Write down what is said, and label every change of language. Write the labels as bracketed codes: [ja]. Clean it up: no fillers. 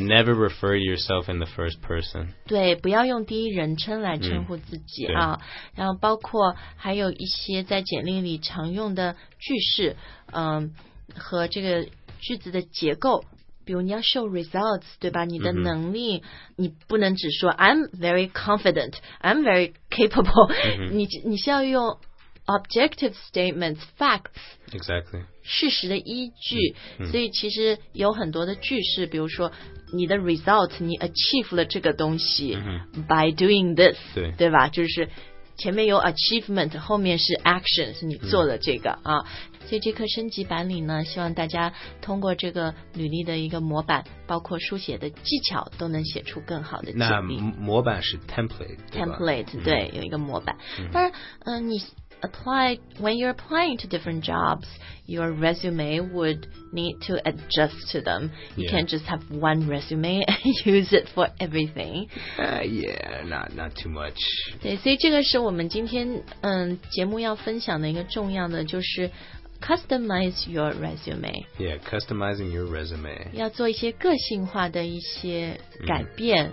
[en] Never refer to yourself in the first person. [zh] 对，不要用第一人称来称呼自己啊。然后包括还有一些在简历里常用的句式，和这个句子的结构。比如你要 show results，对吧？你的能力，你不能只说 I'm very confident, I'm very capable. 你需要用。 [en] Objective statements, facts. Exactly. [zh] 事实的依据，所以其实有很多的句式，比如说你的 result, 你 achieve 了这个东西 by doing this, 对吧？就是前面有 achievement, 后面是 actions, 你做了这个啊。所以这课升级版里呢，希望大家通过这个履历的一个模板，包括书写的技巧，都能写出更好的简历。那模板是 template, 对吧？ Template, 对，有一个模板。 [en] 当然，你 apply when you're applying to different jobs, your resume would need to adjust to them. You can't just have one resume and use it for everything. Not too much. [zh] 对，所以这个是我们今天节目要分享的一个重要的，就是 [en] customize your resume. Yeah, customizing your resume. [zh] 要做一些个性化的一些改变、